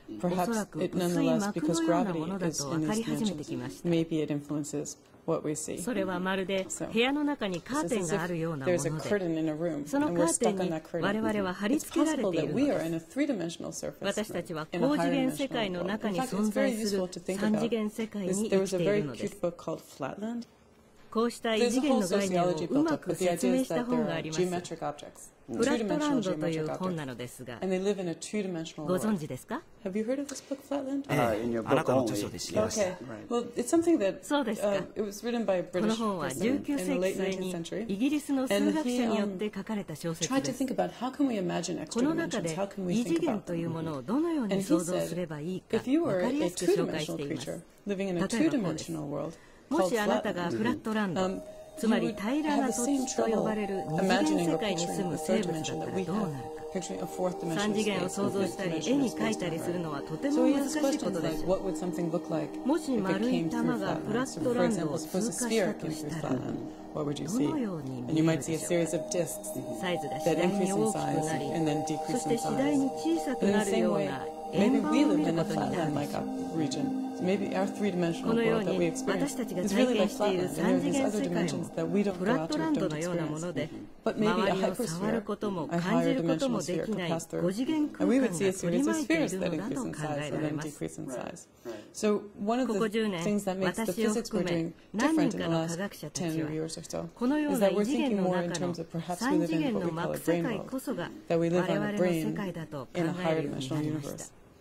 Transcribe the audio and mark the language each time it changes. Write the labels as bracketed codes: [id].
[en] Perhaps it nonetheless, because gravity is in these dimensions, maybe it influences what we see. There's a curtain in a room, and we're stuck on that curtain. It's possible that we are in a three-dimensional surface, in a higher-dimensional world. In fact, it's very useful to think about. There was a very cute book called Flatland. [ja] こうした異次元の概念をうまく説明した本があります。フラットランドという本なのですが、ご存知ですか？あなたの著書で知りました。そうですか。この本は19世紀末にイギリスの数学者によって書かれた小説です。この中で異次元というものをどのように想像すればいいか分かりやすく紹介しています。例えばこうです。もしあなたがフラットランド、つまり平らな土地と呼ばれる二次元世界に住む生物だったらどうなるか。三次元を想像したり絵に描いたりするのはとても難しいことです。もし丸い玉がフラットランドを通過したとしたら、どのように見えるでしょうか。サイズが次第に大きくなり、そして次第に小さくなるような円盤を見ることになるでしょう。 [en] Maybe our three-dimensional world that we experience is really like Flatland. There are these other dimensions that we don't go out to, don't experience. But maybe a hypersphere, a higher dimensional sphere could pass through. And we would see a series of spheres that increase in size and then decrease in size. So one of the things that makes the physics we're doing different in the last 10 years or so is that we're thinking more in terms of perhaps we live in what we call a brain world, that we live on a brain in a higher dimensional universe.